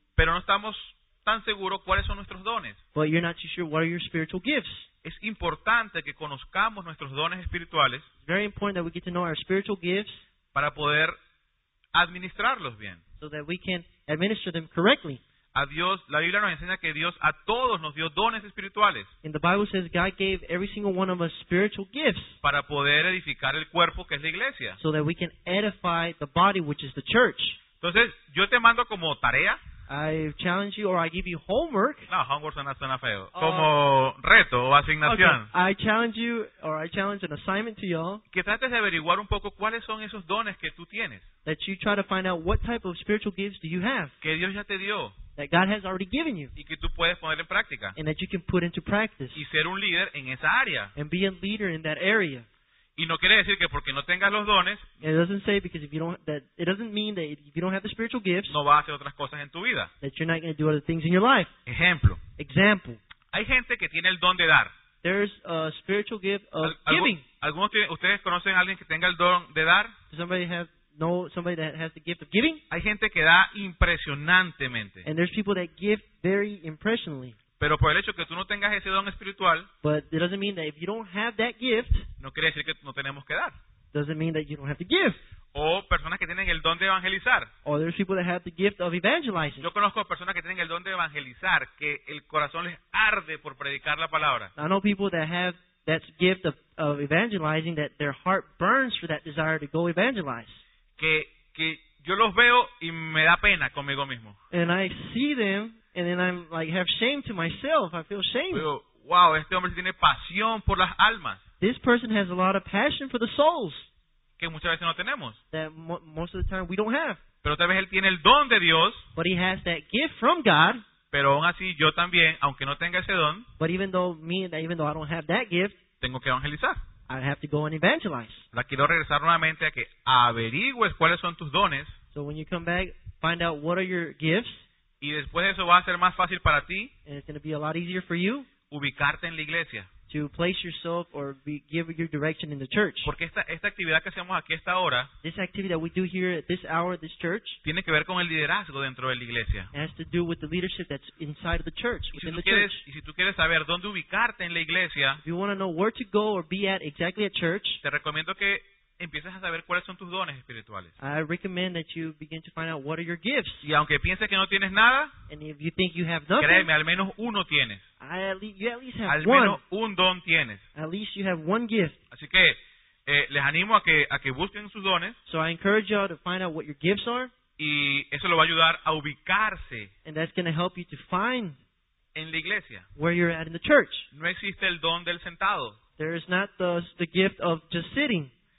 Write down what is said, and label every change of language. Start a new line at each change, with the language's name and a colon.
Spanish: pero no estamos tan seguros cuáles son nuestros dones.
English: But you're not too sure what are your spiritual gifts.
Spanish: Es importante que conozcamos nuestros dones espirituales.
English: It's very important that we get to know our spiritual gifts
Spanish: para poder administrarlos bien.
English: So that we can administer them correctly.
Spanish: a Dios, la Biblia nos enseña que Dios a todos nos dio dones espirituales.
English: And the Bible says God gave every single one of us spiritual gifts.
Spanish: Para poder edificar el cuerpo que es la iglesia.
English: So that we can edify the body which is the church.
Spanish: Entonces, yo te mando como tarea.
English: I challenge you or I give you homework.
Spanish: No, homework suena feo. Como reto o asignación.
English: Okay. I challenge you or I challenge an assignment to y'all.
Spanish: Que trates de averiguar un poco cuáles son esos dones que tú tienes.
English: That you try to find out what type of spiritual gifts do you have.
Spanish: Que Dios ya te dio.
English: That God has already given you.
Spanish: Y que tú puedes poner en práctica.
English: And that you can put into practice.
Spanish: Y ser un líder en esa área.
English: And be a leader in that area.
Spanish: Y no quiere decir que porque no tengas los dones,
English: it doesn't say because if you don't that it doesn't mean that if you don't have the spiritual gifts,
Spanish: no vas a hacer otras cosas en tu vida.
English: That you're not going to do other things in your life.
Spanish: Ejemplo.
English: Example.
Spanish: Hay gente que tiene el don de dar.
English: There's a spiritual gift of giving.
Spanish: ¿Ustedes conocen a alguien que tenga el don de dar?
English: Does somebody have somebody that has the gift of giving?
Spanish: Hay gente que da impresionantemente.
English: And there's people that give very impressionally.
Spanish: Pero por el hecho que tú no tengas ese don espiritual,
English: but it doesn't mean that if you don't have that gift,
Spanish: no quiere decir que no tenemos que dar.
English: Doesn't mean that you don't have the gift.
Spanish: O personas que tienen el don de evangelizar.
English: Or there's people that have the gift of evangelizing.
Spanish: Yo conozco personas que tienen el don de evangelizar, que el corazón les arde por predicar la palabra.
English: I know people that have that gift of evangelizing, that their heart burns for that desire to go evangelize.
Spanish: Que yo los veo y me da pena conmigo mismo.
English: And I see them. And then I'm like, have shame to myself. I feel shame.
Spanish: Pero, wow, este hombre tiene pasión por las almas.
English: This person has a lot of passion for the souls.
Spanish: Que muchas veces no tenemos.
English: That most of the time we don't have.
Spanish: Pero tal vez él tiene el don de Dios.
English: But he has that gift from God.
Spanish: Pero aún así, yo también, aunque no tenga ese don.
English: But even though I don't have that gift.
Spanish: Tengo que evangelizar.
English: I have to go and evangelize.
Spanish: La quiero regresar nuevamente a que averigües cuáles son tus dones.
English: So when you come back, find out what are your gifts.
Spanish: Y después eso va a ser más fácil para ti.
English: And it's going to be a lot easier for you.
Spanish: Ubicarte en la iglesia.
English: To place yourself or give your direction in the church.
Spanish: Porque esta actividad que hacemos aquí a esta hora.
English: This activity that we do here at this hour, this church.
Spanish: Tiene que ver con el liderazgo dentro de la iglesia.
English: It has to do with the leadership that's inside of the church, within the
Spanish: quieres,
English: church.
Spanish: Y si tú quieres saber dónde ubicarte en la iglesia.
English: If you want to know where to go or be at exactly at church.
Spanish: Te recomiendo que empiezas a saber cuáles son tus dones espirituales.
English: I recommend that you begin to find out what are your gifts.
Spanish: Y aunque pienses que no tienes nada,
English: and if you think you have nothing,
Spanish: créeme, al menos uno tienes.
English: At least you have one.
Spanish: Al menos un don tienes.
English: At least you have one gift.
Spanish: Así que les animo a que busquen sus dones.
English: So I encourage y'all to find out what your gifts are.
Spanish: Y eso lo va a ayudar a ubicarse.
English: And that's going to help you to find
Spanish: en la iglesia.
English: Where you're at in the church.
Spanish: No existe el don del sentado.
English: There is not the gift of just sitting.